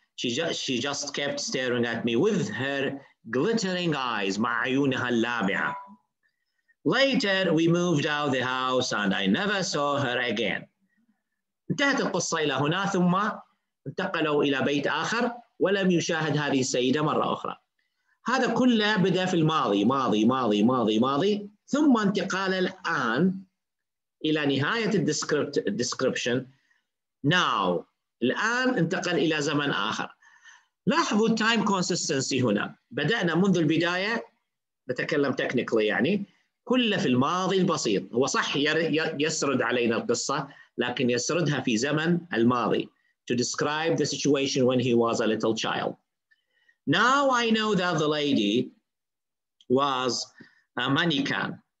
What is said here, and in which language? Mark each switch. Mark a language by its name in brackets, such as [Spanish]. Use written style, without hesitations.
[English] She just kept staring at me with her glittering eyes. [Arabic] مع عيونها اللامعة. [English] Later, we moved out of the house and I never saw her again. [Arabic] انتهت القصة إلى هنا، ثم انتقلوا إلى بيت آخر ولم يشاهد هذه السيدة مرة أخرى. هذا كله بدأ في الماضي، ماضي ماضي ماضي ماضي، ثم انتقال الآن إلى نهاية الديسكريبشن. Now, الآن انتقل إلى زمن آخر. لاحظوا time consistency هنا. بدأنا منذ البداية، بتكلم technically يعني، كله في الماضي البسيط. هو صح يسرد علينا القصة، لكن يسردها في زمن الماضي. [English] To describe the situation when he was a little child. Now I know that the lady was a mannequin.